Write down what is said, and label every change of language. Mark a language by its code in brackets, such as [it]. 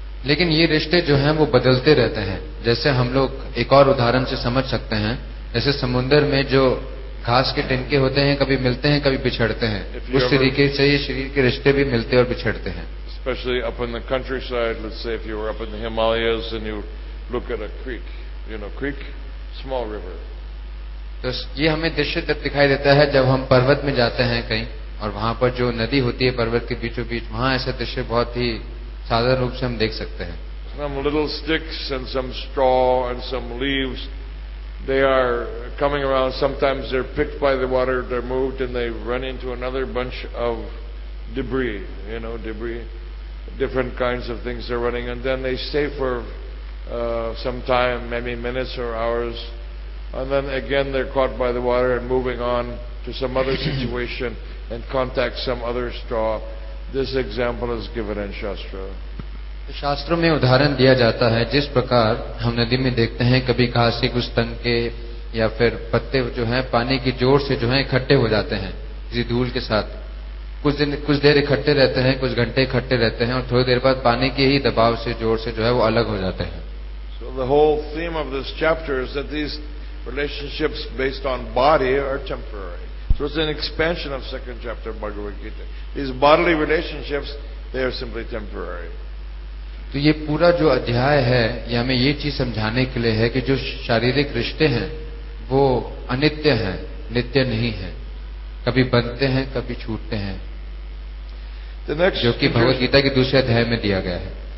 [hi] लेकिन ये रिश्ते जो हैं वो बदलते रहते हैं जैसे हम लोग एक और उदाहरण से समझ सकते हैं जैसे समुन्द्र में जो घास के टिनके होते हैं कभी मिलते हैं कभी बिछड़ते हैं उस तरीके से ये शरीर के रिश्ते भी मिलते और बिछड़ते हैं [en] Especially up in the countryside, let's say if you were up in the Himalayas and you look at a creek, you know, creek, small river. [hi] तो ये हमें दृश्य तब दिखाई देता है जब हम पर्वत में जाते हैं कहीं और वहाँ पर जो नदी होती है पर्वत के बीचों बीच वहाँ ऐसा दृश्य बहुत ही साधारण रूप से हम देख सकते हैं. [en] Some little sticks and some straw and some leaves, they are coming around. Sometimes they're picked by the water, they're moved and they run into another bunch of debris, you know, debris, different kinds of things they're running, and then they stay for some time, maybe minutes or hours, and then again they're caught by the water and moving on to some other situation and contact some other straw. This example is given in Shastra. [hi] शास्त्रों में उदाहरण दिया जाता है जिस प्रकार हम नदी में देखते हैं कभी घास के कुछ तनके या फिर पत्ते जो हैं पानी की जोर से जो हैं इकट्ठे हो जाते हैं किसी धूल के साथ कुछ दिन कुछ देर इकट्ठे रहते हैं कुछ घंटे इकट्ठे रहते हैं और थोड़ी देर बाद पानी के ही दबाव से जोर से जो है वो अलग हो जाते हैं [en] So the whole theme of this chapter is that these relationships based on body are temporary. So it's an expansion of second chapter Bhagavad Gita. These bodily relationships, they are simply temporary. [hi] तो ये पूरा जो अध्याय है ये हमें ये चीज समझाने के लिए है कि जो शारीरिक रिश्ते हैं वो अनित्य हैं नित्य नहीं है कभी बनते हैं कभी छूटते हैं [en] The next, [hi] जो कि भगवद गीता के दूसरे अध्याय में दिया गया है